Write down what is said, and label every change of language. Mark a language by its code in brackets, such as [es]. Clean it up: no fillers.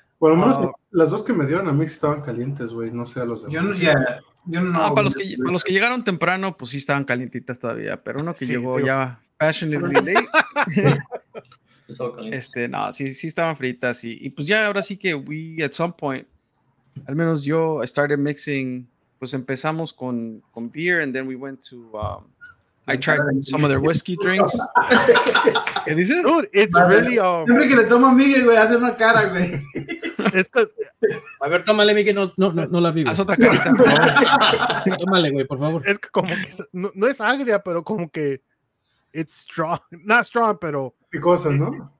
[es] Por lo menos las dos que me dieron a mí estaban calientes, güey. No sé a los demás. Yo no, ya. Yo no, para los que llegaron temprano, pues sí estaban calientitas todavía, pero uno que llegó ya [en] passionately late, [es] no, sí estaban fritas. Y pues ya ahora sí que [en] we, at some point, [es] Al menos yo, [en] I started mixing, [es] pues empezamos con [en] beer, and then we went to, I tried some of their whiskey drinks. [es] ¿Qué dices? [en] Dude, it's really, [es] siempre que le tomo a Miguel, güey, hace una cara, güey. Es que... A ver, tómale, Miguel, no la vive. Haz otra carita. Tómale, güey, por favor. Es que como que, no es agria, pero como que, [en] it's strong, not strong, [es] pero... ¿Qué cosas, no?